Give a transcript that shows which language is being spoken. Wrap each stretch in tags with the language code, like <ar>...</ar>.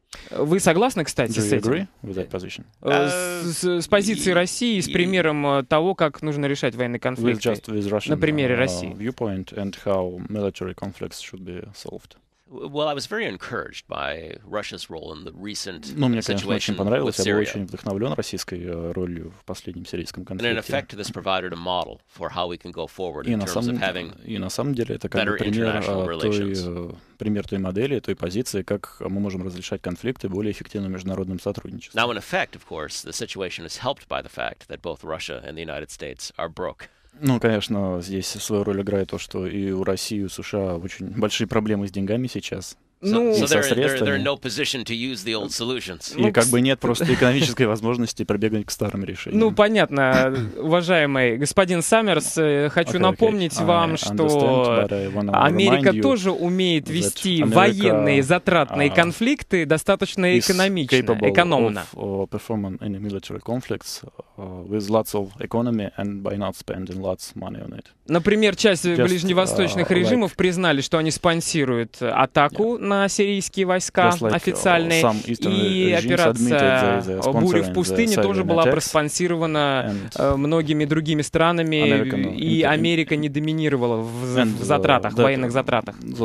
<ru>Вы согласны, кстати, с этим? С позицией России, с примером того, как нужно решать военные конфликты на примере России?</ru> <en>Viewpoint and how military conflicts should be solved. Well, I was very encouraged by Russia's role in the recent situation with Syria.</en> <ru>Я был очень вдохновлен российской ролью в последнем сирийском конфликте.</ru> <en>And in effect, this provided a model for how we can go forward in terms of having</en> <ru>пример той модели, той позиции, как мы можем разрешать конфликты более эффективным международным сотрудничеством.</ru> <en>Now, in effect, of course, the situation is helped by the fact that both Russia and the United States are broke.</en> <ru>Ну, конечно, здесь свою роль играет то, что и у России, и у США очень большие проблемы с деньгами сейчас. Ну, со средствами. И как бы нет просто экономической возможности пробегать к старым решениям. Ну, понятно, уважаемый господин Саммерс, хочу напомнить вам, что Америка тоже умеет вести военные затратные конфликты достаточно экономично, экономно.</ru> <en>Performing any military conflicts with lots of economy and by not spending lots of money on it.</en> <ru>Например, часть ближневосточных режимов признали, что они спонсируют атаку на сирийские войска официальные, и операция «Буря в пустыне» тоже была проспонсирована многими другими странами, и Америка не доминировала в затратах, военных затратах.</ru>